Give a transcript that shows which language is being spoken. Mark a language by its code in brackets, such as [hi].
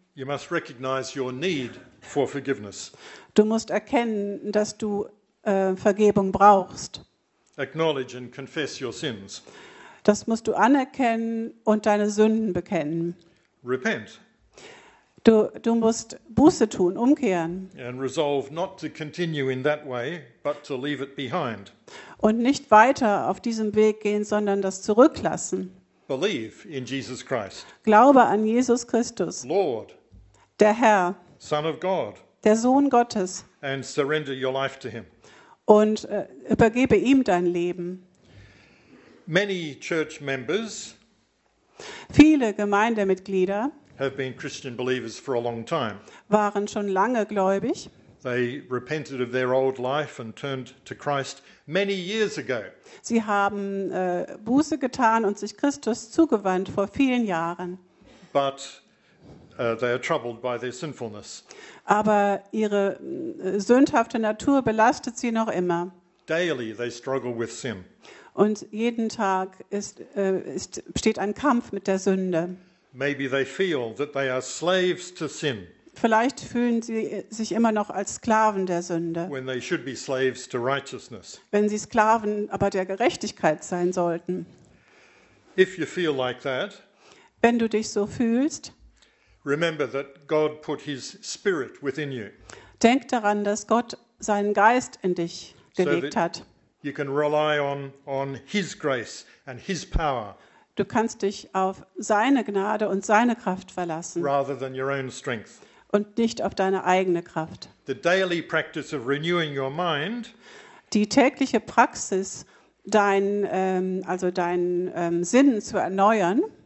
[en] You must recognize your need for forgiveness. [de] Du musst erkennen, dass du Vergebung brauchst. [en] Acknowledge and confess your sins. [de] Das musst du anerkennen und deine Sünden bekennen. [en] Repent. [de] Du musst Buße tun, umkehren. [en] And resolve not to continue in that way, but to leave it behind. [de] Und nicht weiter auf diesem Weg gehen, sondern das zurücklassen. [en] Believe in Jesus Christ. [de] Glaube an Jesus Christus. [en] Lord. [de] Der Herr. [en] Son of God. [de] Der Sohn Gottes. [en] And surrender your life to him. [de] Und übergebe ihm dein Leben. [en] Many church members. [de] Viele Gemeindemitglieder. [en] Have been Christian believers for a long time. [de] Waren schon lange gläubig. [en] They repented of their old life and turned to Christ many years ago. [de] Sie haben Buße getan und sich Christus zugewandt vor vielen Jahren. [en] But they are troubled by their sinfulness. [de] Aber ihre sündhafte Natur belastet sie noch immer. [en] Daily they struggle with sin. [de] Und jeden Tag steht ein Kampf mit der Sünde. [en] Maybe they feel that they are slaves to sin. [de] Vielleicht fühlen sie sich immer noch als Sklaven der Sünde. [en] When they should be slaves to righteousness. [de] Wenn sie Sklaven aber der Gerechtigkeit sein sollten. [en] If you feel like that, [de] wenn du dich so fühlst, [en] remember that God put his spirit within you. [de] Denk daran, dass Gott seinen Geist in dich gelegt hat. [en] You can rely on his grace and his power. [de] Du kannst dich auf seine Gnade und seine Kraft verlassen. [en] Rather than your own strength. [de] Und nicht auf deine eigene Kraft. [en] The daily practice of renewing your mind. [de] Die tägliche Praxis, deinen Sinn zu erneuern.